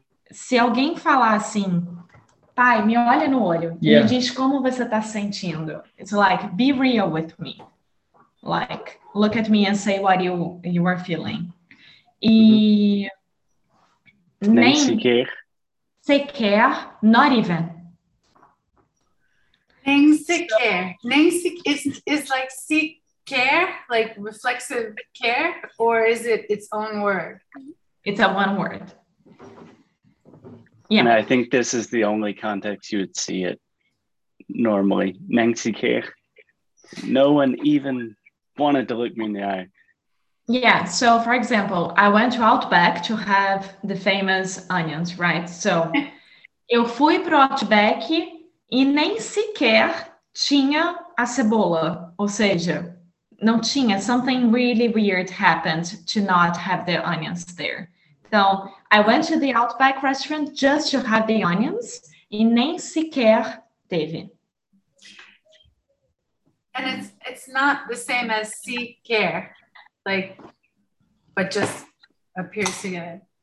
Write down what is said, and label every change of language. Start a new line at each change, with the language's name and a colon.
Portuguese: Se alguém falar assim, pai, me olha no olho.
English: Yeah.
Portuguese: Me diz como você tá sentindo.
English: It's like, be real with me. Like, look at me and say what you are feeling.
Portuguese: E... Nem sequer.
English: Sequer, not even.
Portuguese: Nem sequer. Nem sequer.
English: It's like sequer, like reflexive care, or is it its own word? It's a one word. Yeah. And I think this is the only context you would see it normally.
Portuguese: Nem sequer.
English: No one even wanted to look me in the eye. Yeah, so for example, I went to Outback to have the famous onions, right?
Portuguese: So, eu fui pro Outback e nem sequer tinha a cebola. Ou seja, não tinha.
English: Something really weird happened to not have the onions there. So, I went to the Outback restaurant just to have the onions
Portuguese: e nem sequer teve.
English: And it's not the same as sequer. Like, but just appears to get